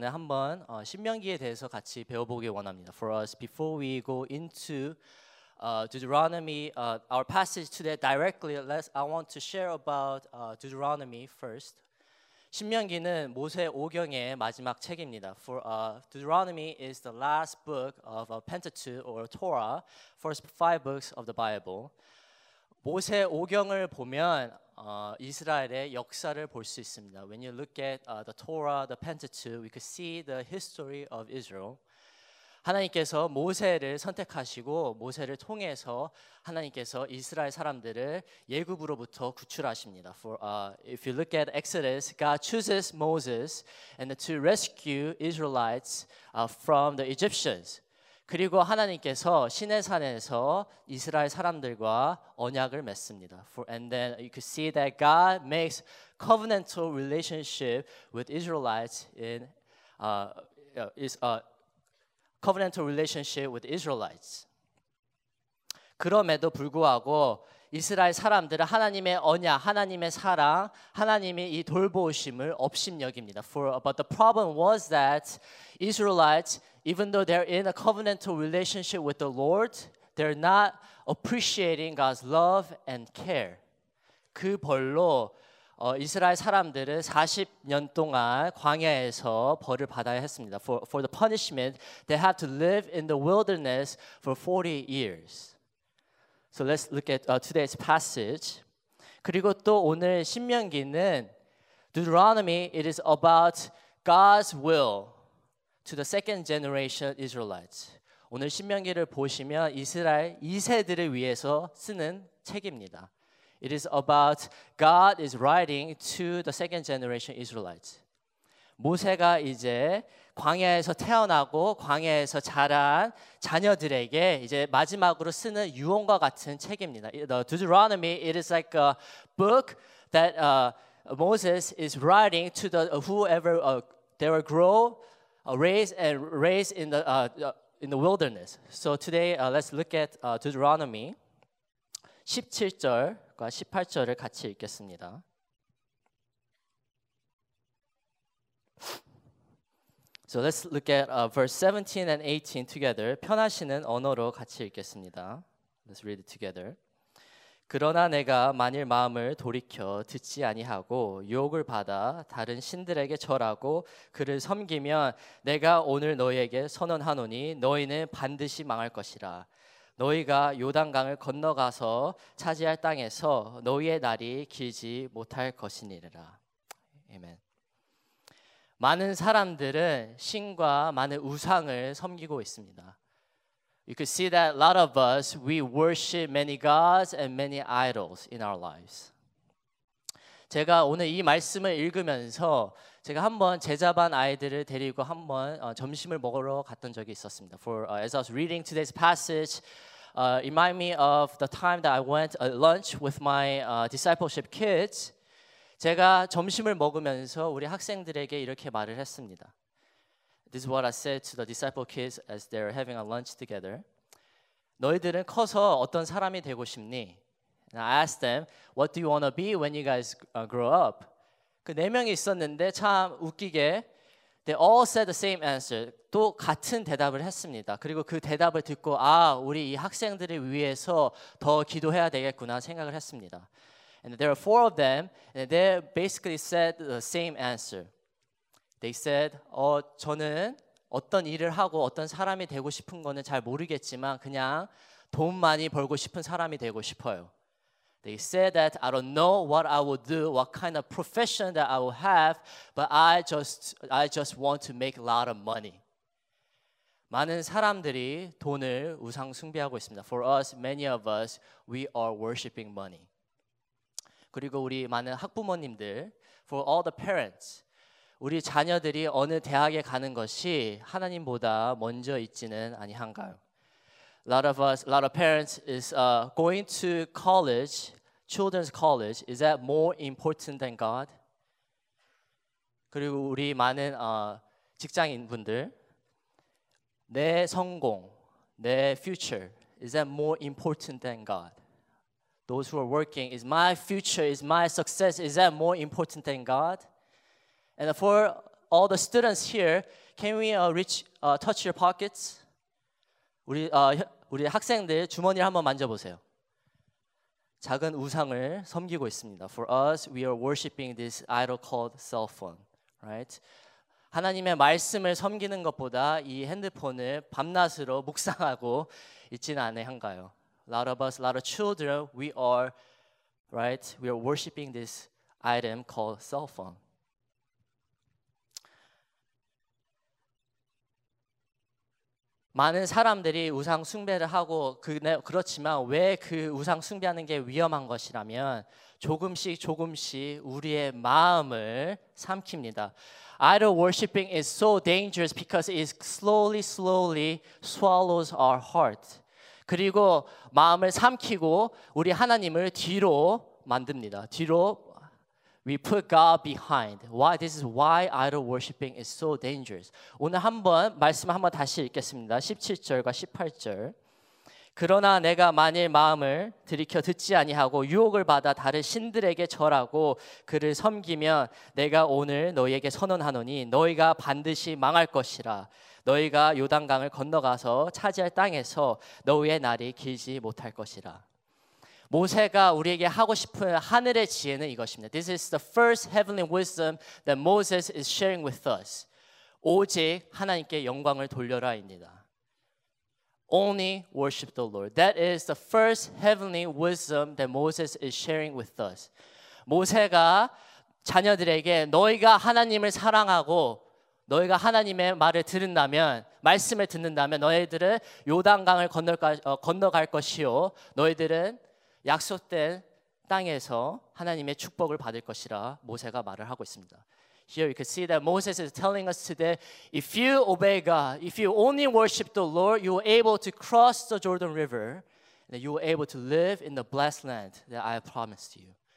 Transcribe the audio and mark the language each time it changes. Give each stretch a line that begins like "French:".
English: For us, before we go into Deuteronomy, our passage today directly, I want to share about Deuteronomy first.
Korean: 신명기는 모세 오경의 마지막 책입니다.
English: For Deuteronomy is the last book of Pentateuch or Torah, first five books of the Bible.
Korean: 모세 오경을 보면 이스라엘의 역사를 볼 수 있습니다.
English: When you look at the Torah, the Pentateuch, we could see the history of Israel.
Korean: 하나님께서 모세를 선택하시고 모세를 통해서 하나님께서 이스라엘 사람들을 애굽으로부터 구출하십니다.
English: For if you look at Exodus, God chooses Moses and to rescue Israelites from the Egyptians.
Korean: 그리고 하나님께서 시내산에서 이스라엘 사람들과 언약을 맺습니다.
English: For, and then you could see that God makes covenantal relationship with Israelites in covenantal relationship with Israelites.
Korean: 그럼에도 불구하고 이스라엘 사람들은 하나님의 언약, 하나님의 사랑, 하나님의 이 돌보심을 업신여깁니다.
English: But the problem was that Israelites, even though they're in a covenantal relationship with the Lord, they're not appreciating God's love and care.
Korean: 그 벌로 이스라엘 사람들은 40년 동안 광야에서 벌을 받아야 했습니다.
English: For the punishment, they have to live in the wilderness for 40 years. So let's look at today's passage.
Korean: 그리고 또 오늘 신명기는
English: Deuteronomy, it is about God's will to the second generation Israelites.
Korean: 오늘 신명기를 보시면 이스라엘 2세들을 위해서 쓰는 책입니다.
English: It is about God is writing to the second generation Israelites.
Korean: 모세가 이제 광야에서 태어나고 광야에서 자란 자녀들에게 이제 마지막으로 쓰는 유언과 같은 책입니다.
English: The Deuteronomy, it is like a book that Moses is writing to the whoever they will grow, raised in the wilderness. So today, let's look at Deuteronomy
Korean: 17절과 18절을 같이 읽겠습니다.
English: So let's look at verse 17 and 18 together.
Korean: 편하시는 언어로 같이 읽겠습니다.
English: Let's read it together.
Korean: 그러나 내가 만일 마음을 돌이켜 듣지 아니하고 유혹을 받아 다른 신들에게 절하고 그를 섬기면 내가 오늘 너희에게 선언하노니 너희는 반드시 망할 것이라. 너희가 요단강을 건너가서 차지할 땅에서 너희의 날이 길지 못할 것이니라. 아멘. 많은 사람들은 신과 많은 우상을 섬기고 있습니다.
English: You could see that a lot of us, we worship many gods and many idols in our lives.
Korean: 제가 오늘 이 말씀을 읽으면서 제가 한번 제자반 아이들을 데리고 한번 점심을 먹으러 갔던 적이 있었습니다.
English: As I was reading today's passage, it reminded me of the time that I went to lunch with my discipleship kids.
Korean: 제가 점심을 먹으면서 우리 학생들에게 이렇게 말을 했습니다.
English: This is what I said to the disciple kids as they're having a lunch together.
Korean: 너희들은 커서 어떤 사람이 되고 싶니?
English: And I asked them, what do you want to be when you guys grow up?
Korean: 그 네 명이 있었는데 참 웃기게
English: they all said the same answer.
Korean: 또 같은 대답을 했습니다. 그리고 그 대답을 듣고 아, 우리 이 학생들을 위해서 더 기도해야 되겠구나 생각을 했습니다.
English: And there are four of them, and they basically said the same answer. They said,
Korean: 저는 어떤 일을 하고 어떤 사람이 되고 싶은 거는 잘 모르겠지만 그냥 돈 많이 벌고 싶은 사람이 되고 싶어요.
English: They said that I don't know what I will do, what kind of profession that I will have, but I just want to make a lot of money.
Korean: 많은 사람들이 돈을 우상 숭배하고 있습니다.
English: For us, many of us, we are worshiping money.
Korean: 그리고 우리 많은 학부모님들,
English: for all the parents,
Korean: 우리 자녀들이 어느 대학에 가는 것이 하나님보다 먼저 있지는 아니한가요?
English: A lot of parents is going to college, children's college. Is that more important than God?
Korean: 그리고 우리 많은 직장인분들, 내 성공, 내
English: future, is that more important than God? Those who are working, is my future, is my success, is that more important than God? And for all the students here, can we touch your pockets?
Korean: 우리 학생들 주머니를 한번 만져보세요. 작은 우상을 섬기고 있습니다.
English: For us, we are worshiping this idol called cell phone, right?
Korean: 하나님의 말씀을 섬기는 것보다 이 핸드폰을 밤낮으로 묵상하고 있지는 않은가요?
English: A lot of us, a lot of children, we are worshiping this item called cell phone.
Korean: 많은 사람들이 우상 숭배를 하고 그렇지만 왜 그 우상 숭배하는 게 위험한 것이라면 조금씩 조금씩 우리의 마음을 삼킵니다.
English: Idol worshiping is so dangerous because it slowly, slowly swallows our heart.
Korean: 그리고 마음을 삼키고 우리 하나님을 뒤로 만듭니다. 뒤로
English: We put God behind. Why? This is why idol worshiping is so dangerous.
Korean: 오늘 한번 말씀 한번 다시 읽겠습니다. 17절과 18절. 그러나 내가 만일 마음을 들이켜 듣지 아니하고 유혹을 받아 다른 신들에게 절하고 그를 섬기면 내가 오늘 너희에게 선언하노니 너희가 반드시 망할 것이라. 너희가 요단강을 건너가서 차지할 땅에서 너희의 날이 길지 못할 것이라. 모세가 우리에게 하고 싶은 하늘의 지혜는 이것입니다.
English: This is the first heavenly wisdom that Moses is sharing with us.
Korean: 오직 하나님께 영광을 돌려라입니다.
English: Only worship the Lord. That is the first heavenly wisdom that Moses is sharing with us.
Korean: 모세가 자녀들에게 너희가 하나님을 사랑하고 너희가 하나님의 말을 들은다면 말씀을 듣는다면 너희들은 요단강을 건너갈 것이요 너희들은 약속된 땅에서 하나님의 축복을 받을 것이라 모세가 말을 하고 있습니다.
English: Here you can see that Moses is telling us today, if you obey God, if you only worship the Lord, you are able to cross the Jordan River, and you are able to live in the blessed land that I promised you.